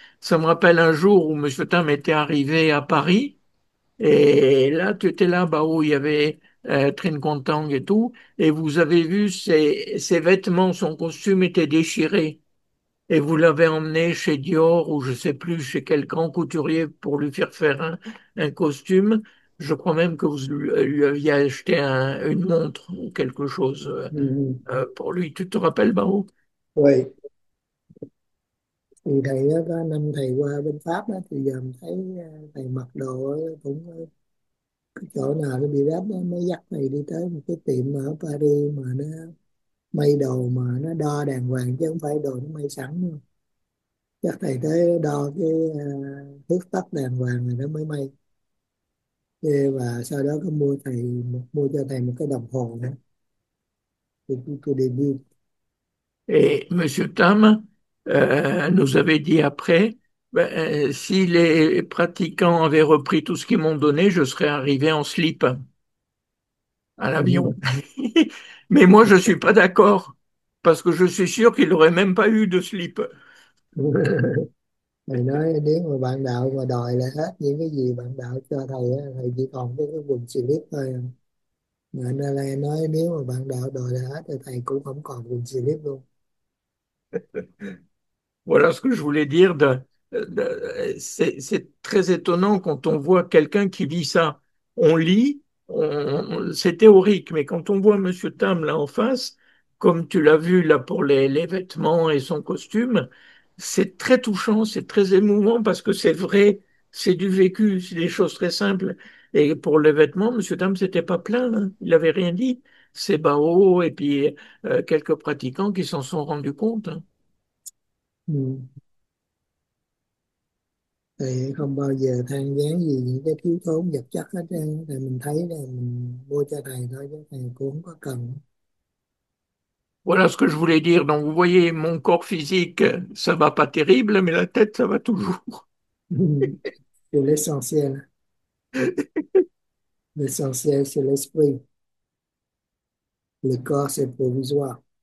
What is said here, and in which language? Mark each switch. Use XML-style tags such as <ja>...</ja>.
<fr>Ça me rappelle un jour où M. Tam était arrivé à Paris et là, tu étais là, bah, où il y avait Trinh Quang Tang et tout, et vous avez vu ses vêtements, son costume était déchiré. Et vous l'avez emmené chez Dior ou je sais plus, chez quel grand couturier pour lui faire faire un costume. Je crois même que vous lui aviez acheté une montre ou quelque chose pour lui. Tu te rappelles, Barou?</fr> <vi>Oui, thì thầy đó, có năm thầy qua bên Pháp đó, thì giờ thấy thầy mặc đồ cũng cái chỗ nào nó bị rách mới dắt thầy đi tới một cái tiệm ở Paris mà nó may đồ mà nó đo đàng hoàng chứ không phải đồ nó may sẵn luôn. Chắc thầy tới đo cái thước tóc đàng hoàng này nó mới may. Và sau đó có mua cho thầy một cái đồng hồ nữa. Tôi đi đi.</vi> <fr>Et Monsieur Tam nous avait dit après, ben, si les pratiquants avaient repris tout ce qu'ils m'ont donné, je serais arrivé en slip à l'avion. Mais moi, je ne suis pas d'accord, parce que je suis sûr qu'il n'aurait même pas eu de slip.</fr> <vi>Thầy nói nếu mà bạn đạo mà đòi lại hết những cái gì bạn đạo cho thầy á, thầy chỉ còn cái quần slip thôi. Mà anh Lai nói nếu mà bạn đạo đòi lại hết thì thầy cũng không còn quần slip luôn.</vi> <fr>Voilà ce que je voulais dire. C'est très étonnant quand on voit quelqu'un qui vit ça. On lit, c'est théorique, mais quand on voit Monsieur Tam là en face, comme tu l'as vu là pour les vêtements et son costume, c'est très touchant, c'est très émouvant parce que c'est vrai, c'est du vécu, c'est des choses très simples. Et pour les vêtements, Monsieur Tam s'était pas plaint, hein, il avait rien dit. C'est Bao et puis quelques pratiquants qui s'en sont rendus compte.</fr> <vi>Thầy không bao giờ than vãn gì những cái thiếu thốn vật chất hết trơn, thì mình thấy là mình mua cho thầy thôi chứ thầy cũng không có cần.</vi> <fr>Voilà ce que je voulais dire. Donc vous voyez, mon corps physique, ça va pas terrible, mais la tête, ça va toujours. L'essentiel c'est l'esprit, le corps c'est provisoire.</fr>